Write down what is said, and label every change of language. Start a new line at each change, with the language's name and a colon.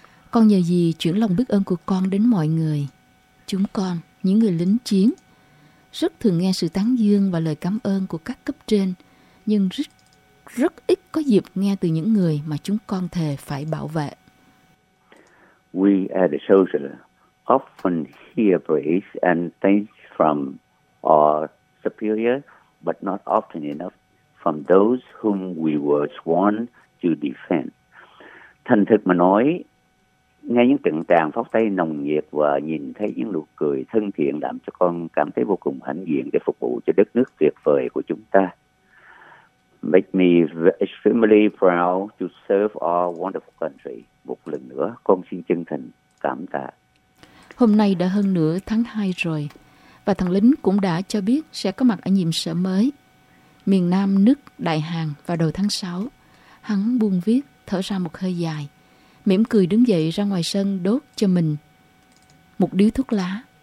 Vietnamese: Con nhờ dì chuyển lòng biết ơn của con đến mọi người. Chúng con, những người lính chiến, rất thường nghe sự tán dương và lời cảm ơn của các cấp trên, nhưng rất ít có dịp nghe từ những người mà chúng con thề phải bảo vệ.
English: We as a soldier often hear praise and thanks from our superiors, but not often enough from those whom we were sworn to defend.
Vietnamese: Thành thực mà nói, nghe những tiếng tràng pháo tay nồng nhiệt và nhìn thấy những nụ cười thân thiện làm cho con cảm thấy vô cùng hãnh diện để phục vụ cho đất nước tuyệt vời của chúng ta.
English: Make me extremely proud to serve our wonderful country.
Vietnamese: Một lần nữa, con xin chân thành cảm tạ. Hôm nay đã hơn nửa tháng 2 rồi, và thằng lính cũng đã cho biết sẽ có mặt ở nhiệm sở mới. Miền Nam nước Đại Hàn vào đầu tháng 6, hắn buông viết, thở ra một hơi dài, mỉm cười đứng dậy ra ngoài sân đốt cho mình một điếu thuốc lá.